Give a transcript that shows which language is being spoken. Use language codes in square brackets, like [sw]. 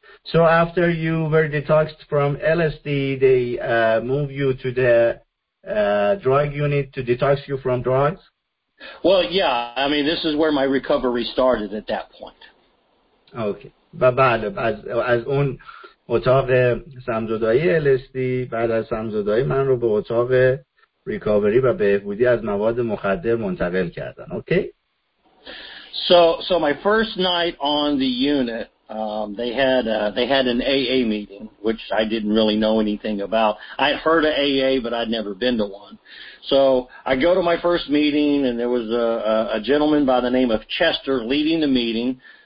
[en] So after you were detoxed from LSD, they move you to the drug unit to detox you from drugs? Well, yeah. I mean, this is where my recovery started at that point. Okay. [fa] و بعد از اون اتاق سمزدائی LSD، بعد از سمزدائی من رو به اتاق ریکاوری و بهبودی از مواد مخدر منتقل کردن. [en] Okay? So my first night on the unit, they had an AA meeting, which I didn't really know anything about. I'd heard of AA, but I'd never been to one. So I go to my first meeting, and there was a gentleman by the name of Chester leading the meeting.